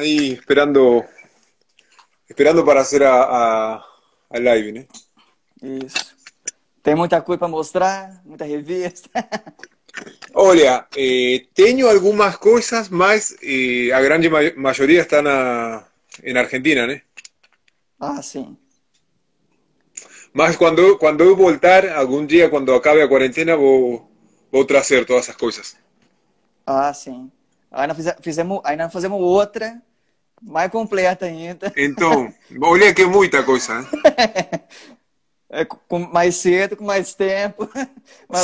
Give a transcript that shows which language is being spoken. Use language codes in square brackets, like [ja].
[es] Ahí esperando para hacer a live, né? [pt] Isso. Tem muita coisa para mostrar, muita revista. [es] Olha, tengo algunas cosas, mas la gran mayoría están en Argentina, ¿no? [pt] Sim. [es] Mas cuando yo voltar, algún día cuando acabe la cuarentena, voy a traer todas esas cosas. [pt] Sim. Ainda fizemos outra mais completa ainda. [es] Entonces, olha que mucha cosa, [pt] É com mais cedo, com mais tempo, umas